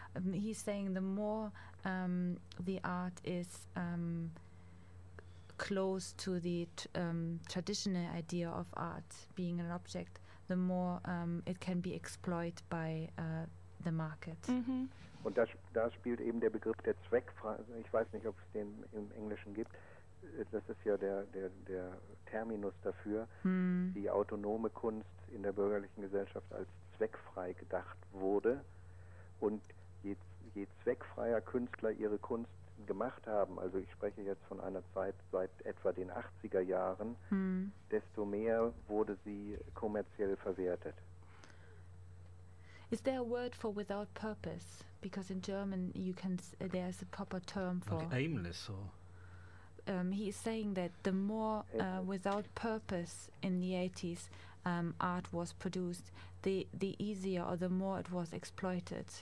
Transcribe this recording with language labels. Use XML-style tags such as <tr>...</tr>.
<en>He's saying the more the art is close to the traditional idea of art being an object, the more it can be exploited by the market. Mhm.</en> <de>Und da spielt eben der Begriff der Zweckfreiheit, ich weiß nicht, ob es den im Englischen gibt, das ist ja der Terminus dafür, die autonome Kunst in der bürgerlichen Gesellschaft als zweckfrei gedacht wurde. Und je zweckfreier Künstler ihre Kunst gemacht haben, also ich spreche jetzt von einer Zeit seit etwa den 80er Jahren, desto mehr wurde sie kommerziell verwertet.</de> <en>Is there a word for without purpose? Because in German, you can there's a proper term for like aimless. Or he is saying that the more without purpose in the 80s art was produced, the easier or the more it was exploited.</en>